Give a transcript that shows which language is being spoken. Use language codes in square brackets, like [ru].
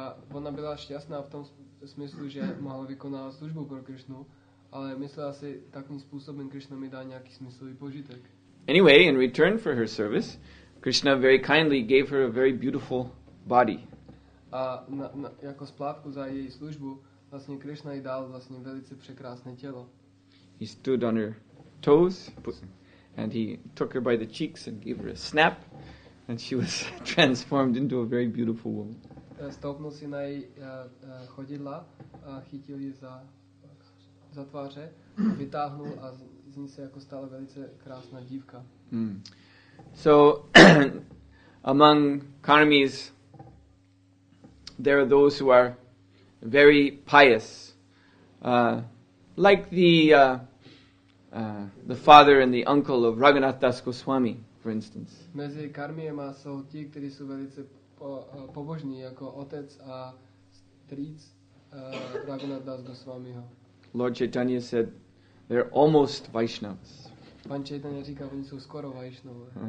[cs] Ona byla šťastná v tom smyslu, že mohla vykonávat službu pro Krishnu, ale myslela si, takým způsobem Krishna mi dá nějaký smyslový požitek. [en] Anyway, in return for her service, Krishna very kindly gave her a very beautiful body. [cs] A na, jako splátku za její službu, vlastně Krishna jí dal vlastně velice překrásné tělo. [en] He stood on her toes, and he took her by the cheeks and gave her a snap, and she was transformed into a very beautiful woman. [cs] Stoupnul si na její chodidla a chytil ji za tváře, vytáhnul a z ní se jako stala velice krásná dívka. Mm. [en] So, among karmis, there are those who are very pious, like the father and the uncle of Raghunath Das Goswami, for instance. [cs] Mezi karmiema jsou ti, kteří jsou velice pobožní, jako otec a strýc Raghunath Das Goswamiho. [en] Lord Chaitanya said, they're almost Vaishnavas. [cs] Pan Chaitanya říká, oni jsou skoro Vaishnava.